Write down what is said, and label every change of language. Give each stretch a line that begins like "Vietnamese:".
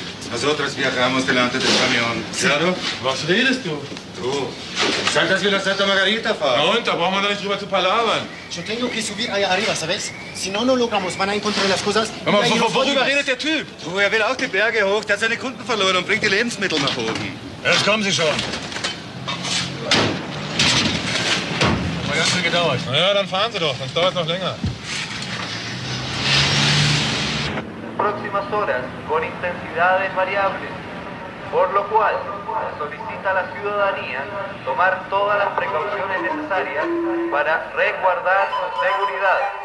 Spanish: Nosotros viajamos delante del camión. ¿Claro?
German: Was redest du? Du. Es scheint, dass wir nach Santa Margarita fahren. Na und? Da brauchen wir doch nicht drüber zu palabern.
Spanish: Yo tengo que subir allá arriba, ¿sabes? Si no, no logramos, van a encontrar las cosas.
German: Worüber redet der Typ? Oh, er will auch die Berge hoch. Der hat seine Kunden verloren und bringt die Lebensmittel nach oben. Jetzt kommen Sie schon. Hat mal ganz viel gedauert. Na ja, dann fahren Sie doch. Sonst dauert es noch länger.
Spanish: Próximas horas con intensidades variables, por lo cual solicita a la ciudadanía tomar todas las precauciones necesarias para resguardar su seguridad.